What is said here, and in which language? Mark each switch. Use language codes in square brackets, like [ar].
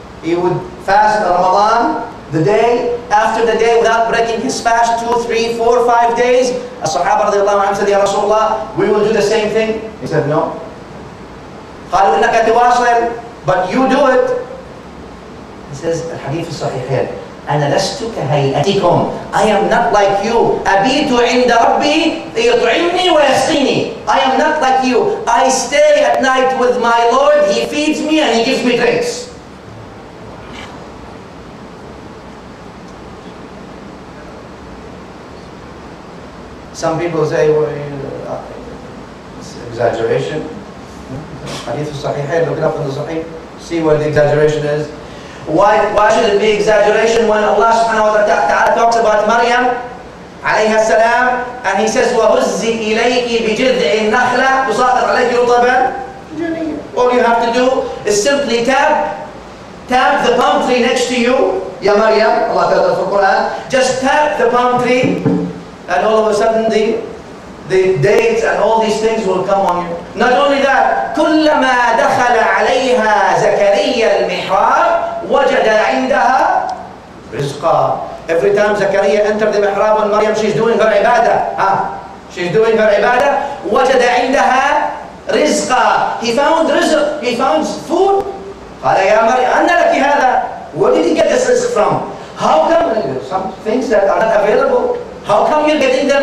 [en] He would fast Ramadan, the day after the day, without breaking his fast, 2, 3, 4, 5 days. As-Sahaba radiallahu anhu said, Ya Rasulullah, we will do the same thing. He said, no. [ar] قَالُوا إِنَّكَ تُوَاصِلْ. [en] But you do it. He says, al-hadith is sahih. [ar] أنا لست كهيئتكم. [en] I am not like you. [ar] أبيت عند ربي يطعمني ويسقيني. [en] I am not like you. I stay at night with my Lord. He feeds me and he gives me drinks. Some people say, well, it's exaggeration. Hadith al-Sahihayn, look it up in the Sahih. See where the exaggeration is. Why should it be exaggeration when Allah subhanahu wa ta'ala talks about Maryam alayha salam and he says, [ar] وَهُزِّ إِلَيْكِ بِجِذْعِ النَّخْلَةِ تُسَاقِطْ عَلَيْكِ رُطَبًا جَنِيًّا. [en] All you have to do is simply tap the palm tree next to you. Ya Maryam, Allah tells us in the Quran, just tap the palm tree and all of a sudden the dates and all these things will come on you. Not only that, [ar] كُلَّمَا دَخَلَ عَلَيْهَا زَكَرِيَّ الْمِحْرَابِ وَجَدَ عِنْدَهَا رِزْقًا. [en] Every time Zakaria entered the mihrab on Maryam, she's doing her ibadah. She's doing her ibadah. [ar] وَجَدَ عِنْدَهَا رِزْقًا. [en] He found rizq. He found food. [ar] قَالَ يَا مَرْيَمْ أَنَّ لَكِ هَذَا. [en] Where did he get this rizq from? How come some things that are not available, how come you're getting them?